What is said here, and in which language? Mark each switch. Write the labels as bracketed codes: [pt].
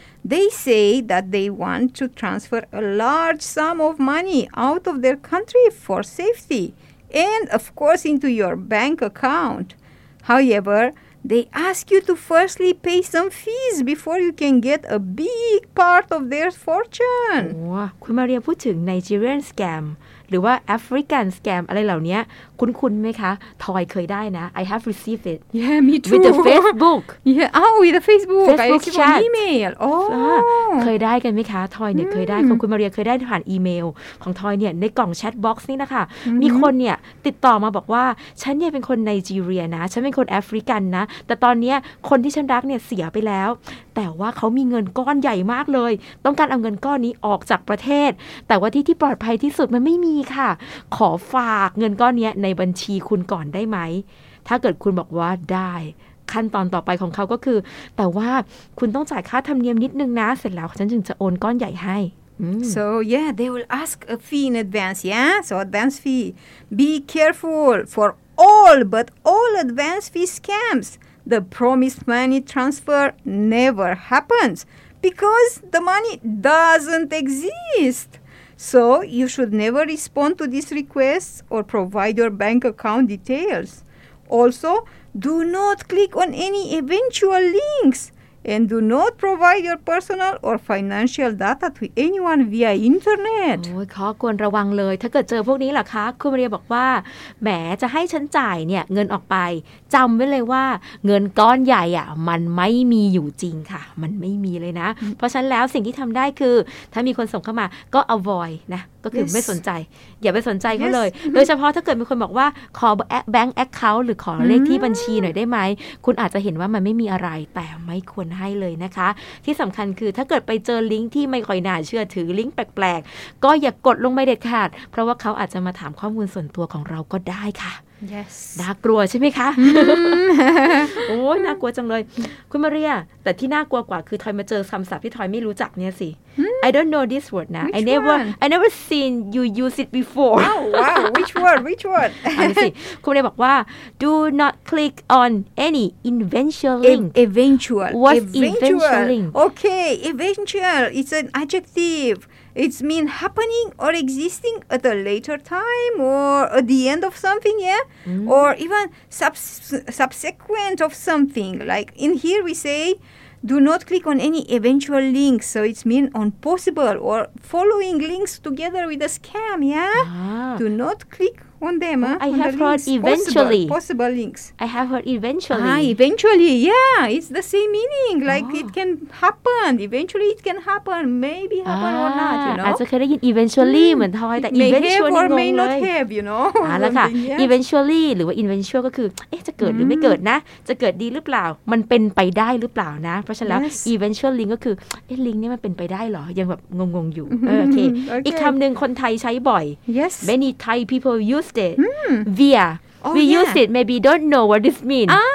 [en] They say that they want to transfer a large sum of money out of their country for safety and, of course, into your bank account. However, they ask you to firstly pay some fees before you can get a big part of their fortune. [th] ว้าคุณมาเรียพูดถึง Nigerian scam หรือว่า African scam อะไรเหล่านี้คุ้นๆไหมคะทอยเคยได้นะ [en] I have received it. Yeah, me too. With the Facebook. Yeah, oh, with the Facebook. Facebook chat. Email. Oh. [th] เคยได้กันไหมคะทอยเนี่ยเคยได้ของคุณมาเรียเคยได้ผ่านอีเมลของทอยเนี่ยในกล่องแชทบ็อกซ์นี่นะคะ มีคนเนี่ยติดต่อมาบอกว่าฉันเนี่ยเป็นคนไนจีเรียนะฉันเป็นคนแอฟริกันนะแต่ตอนเนี้ยคนที่ฉันรักเนี่ยเสียไปแล้วแต่ว่าเขามีเงินก้อนใหญ่มากเลยต้องการเอาเงินก้อนนี้ออกจากประเทศแต่ว่าที่ปลอดภัยที่สุดมันไม่มีค่ะขอฝากเงินก้อนเนี้ยในบัญชีคุณก่อนได้ไหม ถ้าเกิดคุณบอกว่าได้ขั้นตอนต่อไปของเขาก็คือแต่ว่าคุณต้องจ่ายค่าธรรมเนียมนิดนึงนะเสร็จแล้วฉันจึงจะโอนก้อนใหญ่ให้ [en] So yeah, they will ask a fee in advance, yeah? So advance fee. Be careful for all but all advance fee scams. The promised money transfer never happens because the money doesn't exist. So you should never respond to these requests or provide your bank account details. Also, do not click on any eventual links and do not provide your personal or financial data to anyone via internet. [th] โอ้ยขอควรระวังเลยถ้าเกิดเจอพวกนี้ล่ะคะคุณมาเรียบอกว่าแหมจะให้ฉันจ่ายเนี่ยเงินออกไปจำไว้เลยว่าเงินก้อนใหญ่อ่ะมันไม่มีอยู่จริงค่ะมันไม่มีเลยนะ เพราะฉะนั้นแล้วสิ่งที่ทำได้คือถ้ามีคนส่งเข้ามาก็ avoid นะก็คือ yes. ไม่สนใจ อย่าไปสนใจ yes. เขาเลย โดยเฉพาะถ้าเกิดมีคนบอกว่าขอแบงก์แอคเคาท์หรือขอเลขที่บัญชีหน่อยได้ไหมคุณอาจจะเห็นว่ามันไม่มีอะไรแต่ไม่ควรให้เลยนะคะที่สำคัญคือถ้าเกิดไปเจอลิงก์ที่ไม่ค่อยน่าเชื่อถือลิงก์แปลกๆก็อย่ากดลงไปเด็ดขาดเพราะว่าเขาอาจจะมาถามข้อมูลส่วนตัวของเราก็ได้ค่ะ [en] yes [th] น่ากลัวใช่ไหมคะ โอ้ยน่ากลัวจังเลย คุณมาเรียแต่ที่น่ากลัวกว่าคือทอยมาเจอคำศัพท์ที่ทอยไม่รู้จักเนี่ยสิ [en] I don't know this word [th] นะ [en] I never seen you use it before. Which word? [th] คุณเลยบอกว่า [en] do not click on any eventual link. Eventual. What's eventual link? Okay, eventual. It's an adjective. It means happening or existing at a later time or at the end of something, yeah? Or even subsequent of something. Like in here we say, do not click on any eventual links. So it's mean on possible or following links together with a scam, yeah? Do not click on them. I have heard eventually. Eventually, yeah. It's the same meaning. Like it can happen. Eventually it can happen. Maybe happen or not, you know? [th] อาจจะเคยได้ยิน eventually เหมือนทอยแต่ eventually [en] may have or may not have, you know? [th] แล้วค่ะ eventually หรือว่า eventual ก็คือจะเกิดหรือไม่เกิดนะจะเกิดดีหรือเปล่ามันเป็นไปได้หรือเปล่านะเพราะฉะนั้นแล้ว eventual link ก็คือลิงก์นี้มันเป็นไปได้หรอยังแบบงงๆอยู่โอเคอีกคำหนึ่งคนไทยใช้บ่อย [en] yes many Thai people use it via we use it maybe don't know what this mean